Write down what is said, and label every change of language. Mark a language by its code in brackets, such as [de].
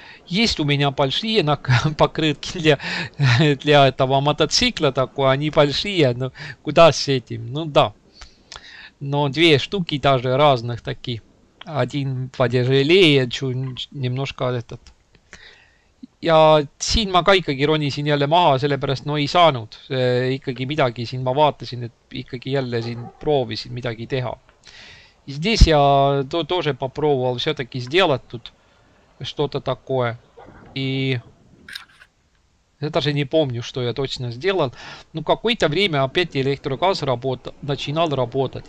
[ru] Есть у меня большие покрытки для этого мотоцикла такой, они большие, но куда с этим? Ну да. Но 2 штуки даже разных таких. Один потяжелее, немножко этот. [et] Ja siin ma ka ikkagi ronisin jälle maha, sellepärast no ei saanud ikkagi midagi. Siin ma vaatasin, et ikkagi jälle siin proovisin midagi teha. [ru] И здесь я тоже попробовал все-таки сделать тут что-то такое. И Я даже не помню, что я точно сделал. Но какое-то время опять электрогаз работал, начинал работать.